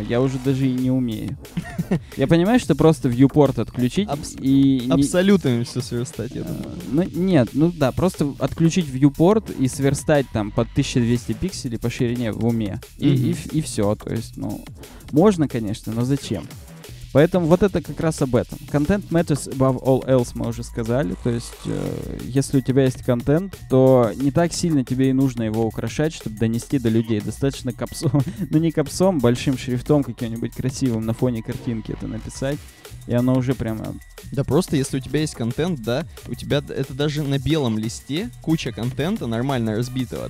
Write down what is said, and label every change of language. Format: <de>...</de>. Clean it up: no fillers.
<ru>Я уже даже и не умею. Я понимаю, что просто вьюпорт отключить и... Абсолютно не... все сверстать, я думаю. Ну, нет, ну да, просто отключить вьюпорт и сверстать там под 1200 пикселей по ширине в уме. Mm-hmm. И все, то есть, ну, можно, конечно, но зачем? Поэтому вот это как раз об этом.</ru> <en>Content matters above all else,</en> <ru>мы уже сказали. То есть, если у тебя есть контент, то не так сильно тебе и нужно его украшать, чтобы донести до людей. Достаточно капсом, ну не капсом, большим шрифтом каким-нибудь красивым на фоне картинки это написать. И оно уже прямо... Да просто, если у тебя есть контент, да, у тебя это даже на белом листе куча контента нормально разбитого.</ru>